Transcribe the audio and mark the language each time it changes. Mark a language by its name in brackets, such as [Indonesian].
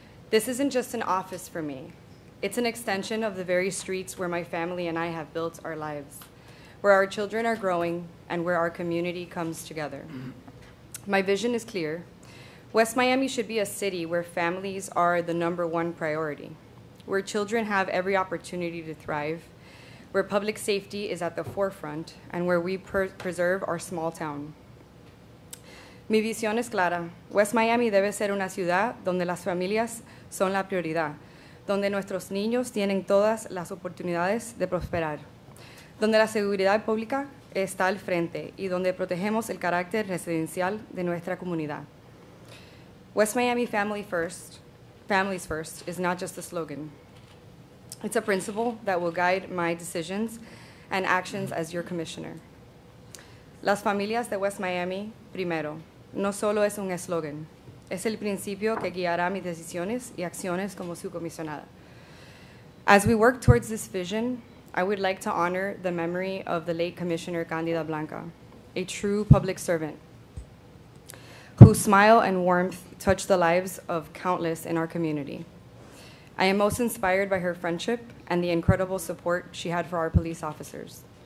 [English] This isn't just an office for me. It's an extension of the very streets where my family and I have built our lives, where our children are growing, and where our community comes together. My vision is clear. West Miami should be a city where families are the number one priority, where children have every opportunity to thrive, where public safety is at the forefront, and where we preserve our small town. [Spanish] Mi visión es clara. West Miami debe ser una ciudad donde las familias son la prioridad, donde nuestros niños tienen todas las oportunidades de prosperar, donde la seguridad pública está al frente y donde protegemos el carácter residencial de nuestra comunidad. [English] West Miami Family First, Families First, is not just a slogan. It's a principle that will guide my decisions and actions as your commissioner. [Spanish] Las familias de West Miami primero. No solo es un eslogan. Es el principio que guiará mis decisiones y acciones como su comisionada. [English] As we work towards this vision, I would like to honor the memory of the late Commissioner Candida Blanca, a true public servant whose smile and warmth touched the lives of countless in our community. I am most inspired by her friendship and the incredible support she had for our police officers.